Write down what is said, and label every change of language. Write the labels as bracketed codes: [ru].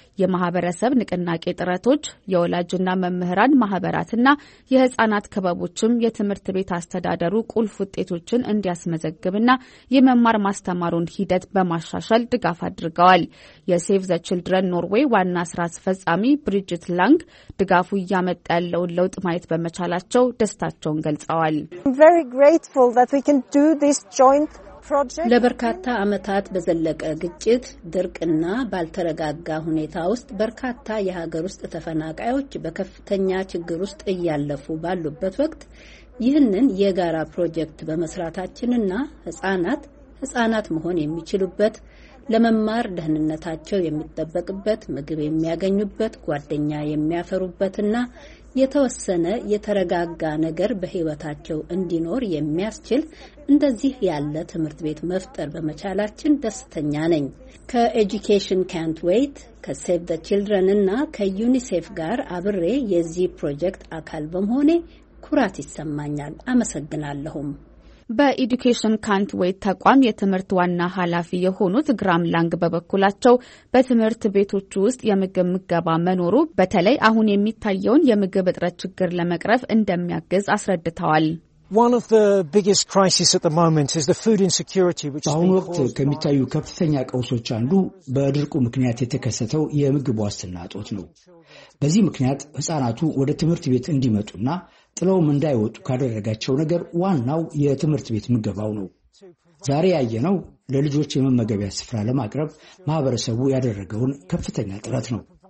[am] የማህበረሰብ ንቅናቄ ጥረቶች፣ የወላጅና መምህራን ማህበራትና የህፃናት ክበቦችም የትምህርት ቤት አስተዳደሩ ቁልፍ ውጤቶችን እንዲያስመዘግብና የመማር ማስተማሩን ሂደት በማሻሻል ድጋፍ አድርገዋል። የሴቭ ዘ ችልድረን ኖርዌይ ዋና ስራ አስፈጻሚ ብሪጅት ላንግ ድጋፉ እያመጣ ያለውን ለውጥ ማየት በመቻላቸው ደስታቸውን ገልጸዋል። [en] I'm very grateful that we can do this joint [am] ለበርካታ አመታት በዘለቀ ግጭት፣ ድርቅና ባልተረጋጋ ሁኔታ ውስጥ በርካታ የሀገር ውስጥ ተፈናቃዮች በከፍተኛ ችግር ውስጥ እያለፉ ባሉበት ወቅት ይህንን የጋራ ፕሮጀክት በመስራታችንና ህፃናት መሆን የሚችሉበት ለመማር ደህንነታቸው የሚጠበቅበት ምግብ የሚያገኙበት ጓደኛ የሚያፈሩበትና የተወሰነ የተረጋጋ ነገር በህይወታቸው እንዲኖር የሚያስችል እንደዚህ ያለ ትምህርት ቤት መፍጠር በመቻላችን ደስተኛ ነኝ። ከኤጁኬሽን ካንት ዌት፣ ከሴቭ ዘ ችልድረን እና ከዩኒሴፍ ጋር አብሬ የዚህ ፕሮጀክት አካል በመሆኔ ኩራት ይሰማኛል። አመሰግናለሁም። በኢዱኬሽን ካንት ዌት ተቋም የትምህርት ዋና ኃላፊ የሆኑት ግራም ላንግ በበኩላቸው በትምህርት ቤቶች ውስጥ የምግብ ምገባ መኖሩ በተለይ አሁን የሚታየውን የምግብ እጥረት ችግር ለመቅረፍ እንደሚያግዝ አስረድተዋል። [en] One of the biggest crises at the moment is the food insecurity which [am] አሁን ወቅት ከሚታዩ ከፍተኛ ቀውሶች አንዱ በድርቁ ምክንያት የተከሰተው የምግብ ዋስትና እጦት ነው። በዚህ ምክንያት ህፃናቱ ወደ ትምህርት ቤት እንዲመጡና ጥለውም እንዳይወጡ ካደረጋቸው ነገር ዋናው የትምህርት ቤት ምገባው ነው። ዛሬ ያየነው ለልጆች የመመገቢያ ስፍራ ለማቅረብ ማህበረሰቡ ያደረገውን ከፍተኛ ጥረት ነው።